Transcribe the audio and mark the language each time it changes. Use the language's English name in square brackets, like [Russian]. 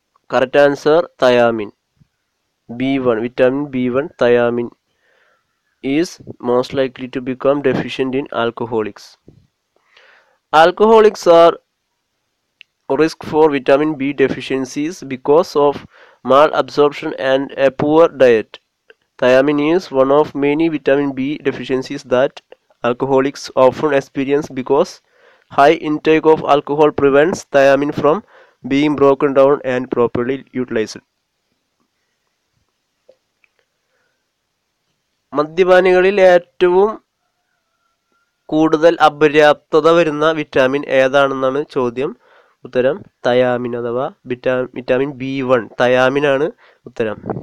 [English] Correct answer thiamine, vitamin B1 thiamine is most likely to become deficient in alcoholics. Alcoholics are risk for vitamin B deficiencies because of malabsorption and a poor diet. Thiamine is one of many vitamin B deficiencies that alcoholics often experience because high intake of alcohol prevents thiamine from being broken down and properly utilized. [Malayalam] മദ്യപാനികളിൽ ഏറ്റവും കൂടുതൽ അപര്യാപ്തത വരുന്ന vitamin ഏതാണെന്നാണ് ചോദ്യം. ഉത്തരം thiamine അഥവാ vitamin B one, thiamine ആണ് ഉത്തരം.